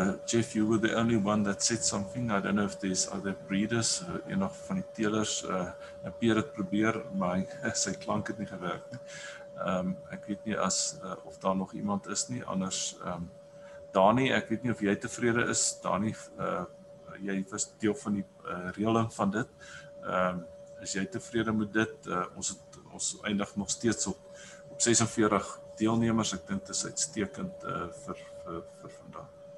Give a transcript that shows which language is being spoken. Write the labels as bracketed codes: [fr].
[en] Jeff, you were the only one that said something. I don't know if there's other breeders, [af] enig van die teelers. Ek Peer het probeer, maar sy klank het nie gewerk nie. Ek weet nie of daar nog iemand is nie, anders Dani, ek weet nie of jy tevrede is, Dani, jy was deel van die reëling van dit. Is jy tevrede met dit? Ons eindig nog steeds op 46 deelnemers. Ek dink dit is uitstekend vir vandag.